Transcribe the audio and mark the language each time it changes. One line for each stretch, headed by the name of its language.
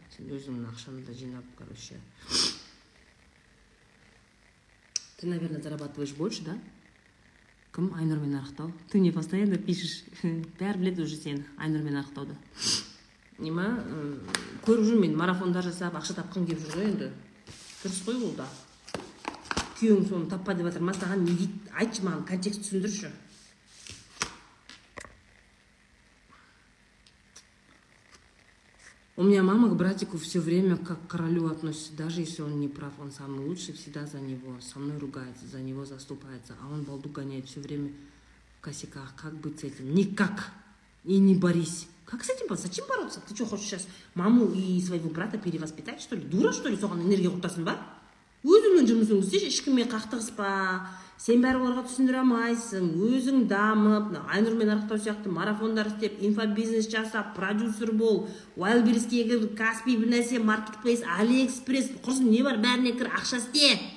Kazakh: Сен өзің ақшаны да жинап, короче.
Russian: Ты, наверное, зарабатываешь больше, да?
Kazakh: Кім Айнұрмен арықтау?
Russian: Ты не постоянно пишешь.
Kazakh: Бәрі біледі уже сен Айнұрмен арықтауды. Не ма? Көріп жүрмін мен марафондар жасап, ақша тапқым келіп жүр ғой енді. Дұрыс қой ол да. Күйеуің соны таппа деп отыр ма, саған не дейді? Айтшы маған, контекст түсіндірші.
Russian: У меня мама к братику все время как к королю относится. Даже если он не прав, он самый лучший, всегда за него. Со мной ругается, за него заступается. А он балду гоняет все время в косяках. Как быть с этим? Никак! И не борись! Как с этим бороться? Зачем бороться? Ты что, хочешь сейчас маму и своего брата перевоспитать, что ли? Дура, что ли?
Kazakh: Соған энергия құртасын ба? Өзіңнің жұмысың істеші, ешкіммен қақтығыспа. Сен бәрі оларға түсіндіре алмайсың. Өзің дамып, Айнұрмен арықтау сияқты марафондар істеп, инфобизнес жасап, продюсер бол, Wildberries-тегі Каспи, бір нәрсе, Marketplace, AliExpress, құрсын не бар, бәріне кір, ақша істе.